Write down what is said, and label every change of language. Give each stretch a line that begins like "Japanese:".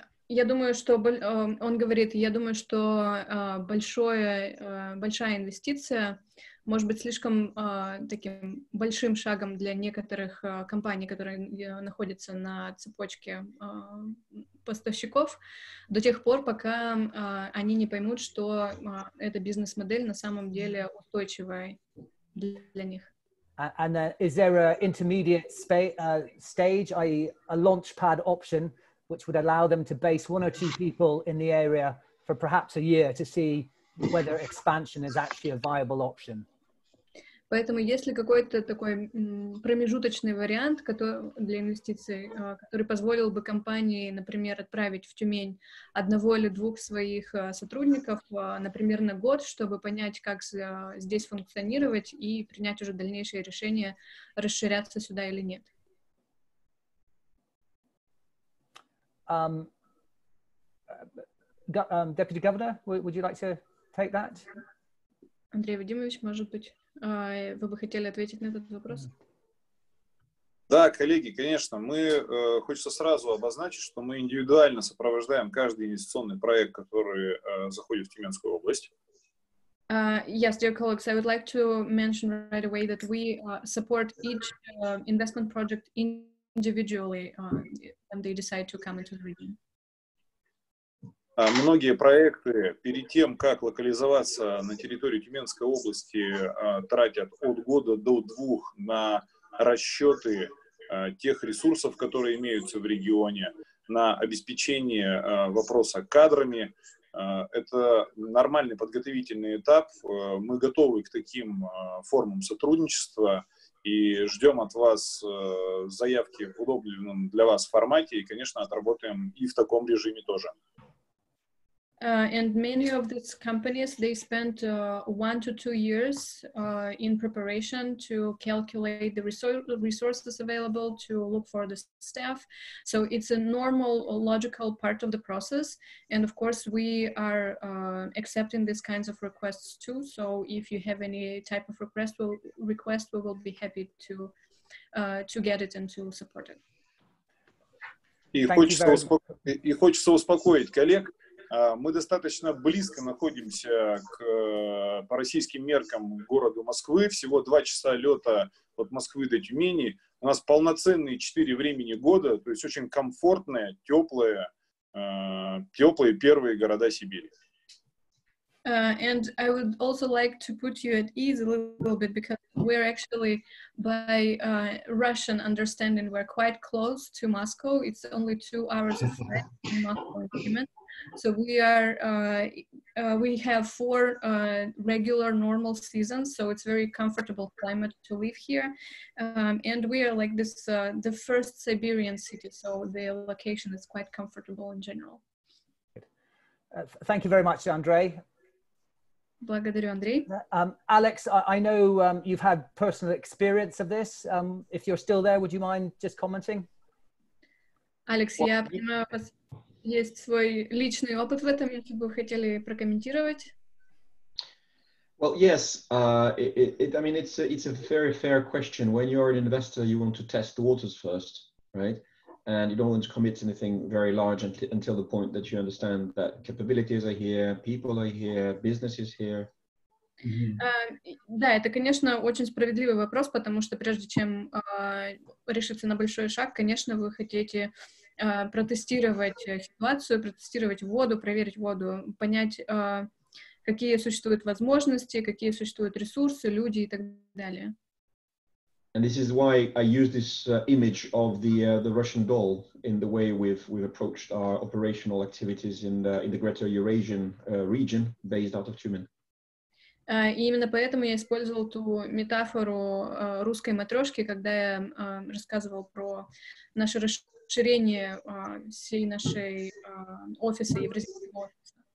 Russian: Я думаю, что он говорит, я думаю, что большая инвестиция может быть слишком таким большим шагом для некоторых компаний, которые находятся на цепочке поставщиков, до тех пор, пока они не поймут, что эта бизнес-модель на самом деле устойчивая для них.
English: And is there an intermediate stage, i.e. a launch pad option, which would allow them to base one or two people in the area for perhaps a year to see whether expansion is actually a viable option?
Russian: Поэтому есть ли какой-то такой промежуточный вариант, который для инвестиций, который позволил бы компании, например, отправить в Тюмень одного или двух своих сотрудников, например, на год, чтобы понять, как здесь функционировать и принять уже дальнейшие решения, расширяться сюда или нет?
English: Deputy Governor, would you like to take that?
Russian: Андрей Вадимович, может быть? Вы бы хотели ответить на этот вопрос? Да, коллеги, конечно. Мы хочется сразу обозначить, что мы индивидуально сопровождаем каждый инвестиционный проект, который заходит в Тюменскую область.
English: Yes, dear colleagues, I would like to mention right away that we support each investment project individually when they decide to come into the region.
Russian: Многие проекты перед тем, как локализоваться на территории Тюменской области, тратят от года до двух на расчеты тех ресурсов, которые имеются в регионе, на обеспечение вопроса кадрами. Это нормальный подготовительный этап. Мы готовы к таким формам сотрудничества и ждем от вас заявки в удобном для вас формате и, конечно, отработаем и в таком режиме тоже.
English: And many of these companies, they spent 1 to 2 years in preparation to calculate the resources available, to look for the staff. So it's a normal, logical part of the process. And of course, we are accepting these kinds of requests too. So if you have any type of request, we will be happy to get it and to support it.
Russian: И хочется успокоить коллег. Мы достаточно близко находимся по российским меркам к городу Москвы. Всего 2 часа лета от Москвы до Тюмени. У нас полноценные 4 времени года, то есть очень комфортные, теплые первые города Сибири.
English: And I would also like to put you at ease a little bit because we're actually, by Russian understanding, we're quite close to Moscow. It's only 2 hours of flight from Moscow to Tumen. So we are, we have 4 regular normal seasons, so it's very comfortable climate to live here. And we are like this, the first Siberian city, so the location is quite comfortable in general. Thank you very much, Andrei.
Russian: Благодарю, Андрей.
English: Alex, I know you've had personal experience of this. If you're still there, would you mind just commenting?
Russian: Alex, я понимаю, у вас есть свой личный опыт в этом, если бы вы хотели прокомментировать.
English: Well, yes. It's a very fair question. When you're an investor, you want to test the waters first, right? And you don't want to commit anything very large until the point that you understand that capabilities are here, people are here, business is here. Mm-hmm.
Russian: Да, это, конечно, очень справедливый вопрос, потому что прежде чем решиться на большой шаг, конечно, вы хотите протестировать ситуацию, протестировать воду, проверить воду, понять, какие существуют возможности, какие существуют ресурсы, люди и так далее.
English: And this is why I use this image of the Russian doll in the way we've approached our operational activities in the Greater Eurasian region based out of Tumen.
Russian: И именно поэтому я использовал ту метафору русской матрешки, когда я рассказывал про наше расширение всей нашей офиса, евразийского офиса.